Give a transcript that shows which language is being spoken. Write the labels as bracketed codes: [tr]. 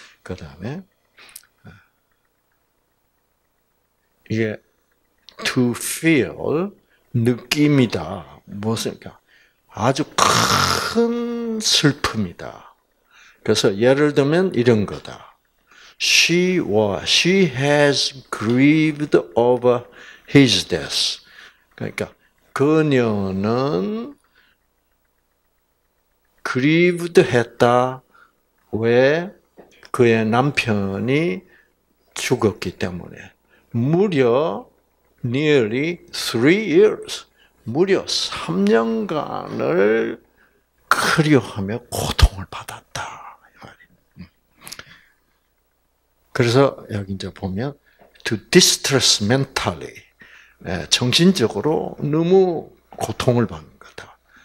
[ko] 그 다음에 이게 to feel 느낌이다. 무엇입니까? 아주 큰 슬픔이다. 그래서 예를 들면 이런 거다. [en] She was, she has grieved over his death. [ko] 그러니까 그녀는 grieved 했다. 왜? 그의 남편이 죽었기 때문에. [en] 무려 nearly 3 years. [ko] 무려 3년간을 그리워하며 고통을 받았다. 그래서 여기 이제 보면, [en] to distress mentally. [ko] 정신적으로 너무 고통을 받는 거다.